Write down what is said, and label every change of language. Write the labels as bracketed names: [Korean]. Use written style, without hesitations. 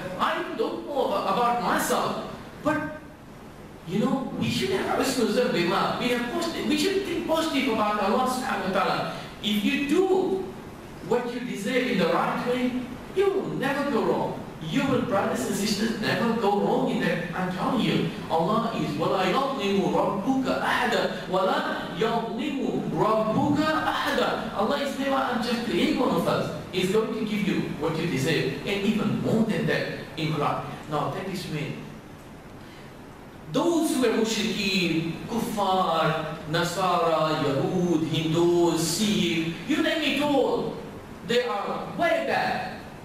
[English] I don't know about myself. But you know, we should have responsibility. We should think positive about Allah subhanahu wa ta'ala. If you do what you deserve in the right way, you will never go wrong. You will, brothers and sisters, never go wrong in that. I'm telling you, Allah is [Arabic] وَلَا يَظْلِمُ رَبُّكَ أَحَدًا وَلَا يَظْلِمُ رَبُّكَ أَحَدًا. [English] Allah is never unjust to any one of us. He's going to give you what you deserve, and even more than that in Quran. Now that is when those who were mushrikeen, kuffar, nasara, yahood, hindus, Sikh, you name it all, they are way back.